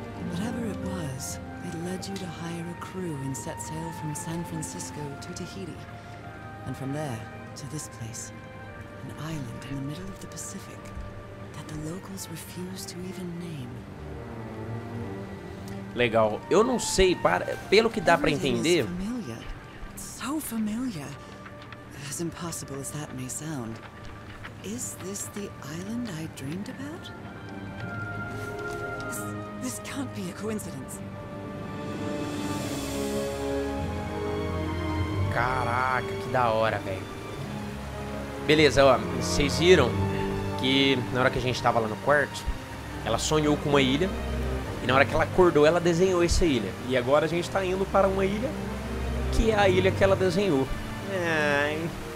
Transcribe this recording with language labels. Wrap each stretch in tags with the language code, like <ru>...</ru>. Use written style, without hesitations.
<en>Whatever it was, it led you to hire a crew and set sail from San Francisco to Tahiti. And from there, to this place. An island in the middle of the Pacific that the locals refused to even name.</en> <pt>Legal. Eu não sei, pelo que dá pra entender.</pt> <en>So familiar. As impossible as that may sound, is this the island I dreamed about? This can't be a coincidence.</en> <pt>Caraca, que da hora, velho. Beleza, ó. Vocês viram que na hora que a gente tava lá no quarto, ela sonhou com uma ilha. E na hora que ela acordou, ela desenhou essa ilha. E agora a gente tá indo para uma ilha que é a ilha que ela desenhou. Ai.</pt>